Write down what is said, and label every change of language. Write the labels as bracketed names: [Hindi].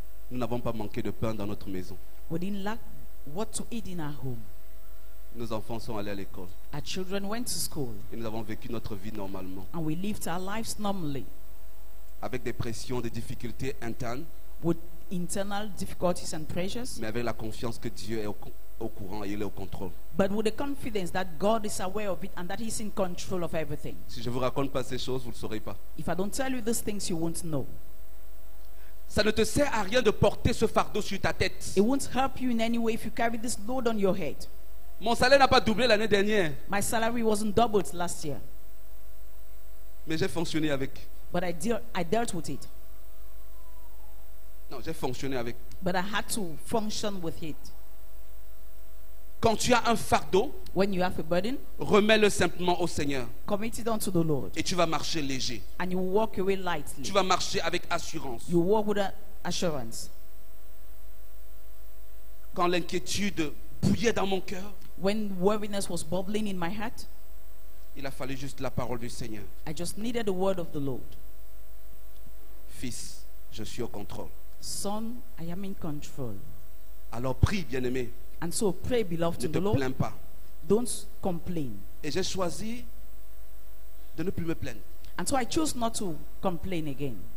[French] Nous n'avons pas manqué de pain dans notre maison. [English] We didn't lack what to eat in our home. [French] Nos enfants sont allés à l'école. [English] Our children went to school. [French] Et nous avons vécu notre vie normalement. [English] And we lived our lives normally. [French] Avec des pressions, des difficultés internes. [English] With internal difficulties and pressures. [French] Mais avec la confiance que Dieu est au courant et il est au contrôle. [English] But with the confidence that God is aware of it and that he's in control of everything. [French] Si je vous raconte pas ces choses, vous le saurez pas. [English] If I don't tell you these things, you won't know. [French] Ça ne te sert à rien de porter ce fardeau sur ta tête. [English] It won't help you in any way if you carry this load on your head. [French] Mon salaire n'a pas doublé l'année dernière. [English] My salary wasn't doubled last year. [French] Mais j'ai fonctionné avec. [English] But I dealt with it. [French] Non, j'ai fonctionné avec. [English] But I had to function with it. [French] Quand tu as un fardeau, [English] when you have a burden, [French] remets-le simplement au Seigneur. [English] Commit it unto the Lord. [French] Et tu vas marcher léger. [English] And you walk away lightly. [French] Tu vas marcher avec assurance. [English] You walk with assurance. [French] Quand l'inquiétude bouillait dans mon cœur, [English] when worriness was bubbling in my heart, [French] il a fallu juste la parole du Seigneur. [English] I just needed the word of the Lord. [French] Fils, je suis au contrôle. [English] Son, I am in control. [French] Alors prie, bien-aimé. [English] And so pray, beloved in the Lord. [French] Ne te plains pas. [English] Don't complain. [French] Et j'ai choisi de ne plus me plaindre. [English] And so I choose not to complain again.